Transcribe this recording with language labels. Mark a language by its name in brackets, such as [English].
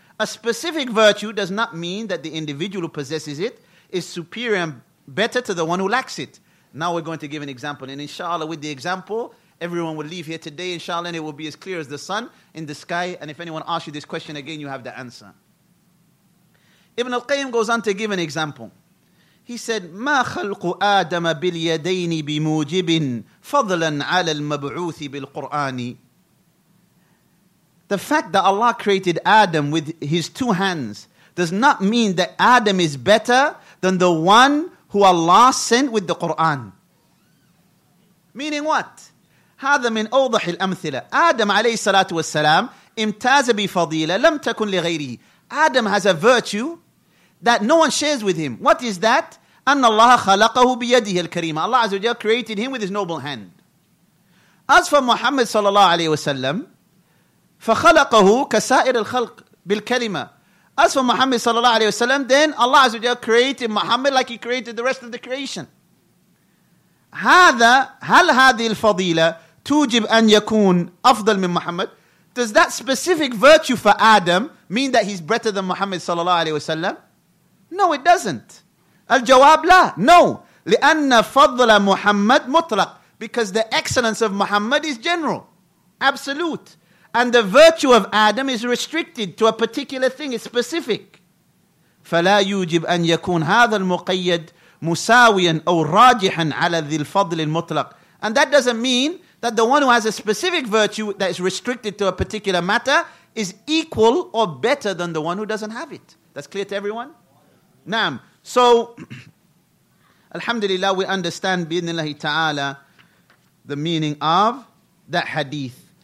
[English] A specific virtue does not mean that the individual who possesses it is superior and better to the one who lacks it. Now we're going to give an example. And inshallah, with the example, everyone will leave here today, inshallah, and it will be as clear as the sun in the sky. And if anyone asks you this question again, you have the answer. Ibn al-Qayyim goes on to give an example. He said, [Arabic] "مَا خَلْقُ آدَمَ بِالْيَدَيْنِ بِمُوجِبٍ فَضْلًا عَلَى الْمَبْعُوثِ بِالْقُرْآنِ." [English] The fact that Allah created Adam with his two hands does not mean that Adam is better than the one who Allah sent with the Qur'an. Meaning what? [Arabic] هذا من أوضح الأمثلة. Adam عليه الصلاة والسلام امتاز بفضيلة لم تكن لغيره. [English] Adam has a virtue that no one shares with him. What is that? [Arabic] أن الله خلقه بيده الكريمة. [English] Allah عز وجل created him with his noble hand. As for Muhammad [Arabic] صلى الله عليه وسلم, فخلقه كسائر الخلق بالكلمة. [English] As for Muhammad صلى الله عليه وسلم, then Allah عز وجل created Muhammad like he created the rest of the creation. [Arabic] هذا هل هذه الفضيلة توجب أن يكون أفضل من محمد? [English] Does that specific virtue for Adam mean that he's better than Muhammad صلى الله عليه وسلم? No, it doesn't. [Arabic] الجواب لا. [English] No. [Arabic] لأن فضل محمد مطلق. [English] Because the excellence of Muhammad is general, absolute. And the virtue of Adam is restricted to a particular thing. It's specific. [Arabic] فلا يوجب أن يكون هذا المقيد مساويا أو راجحا على ذي الفضل المطلق. [English] And that doesn't mean that the one who has a specific virtue that is restricted to a particular matter is equal or better than the one who doesn't have it. That's clear to everyone? Naam. So, alhamdulillah, we understand bi'idhnillahi ta'ala the meaning of that hadith.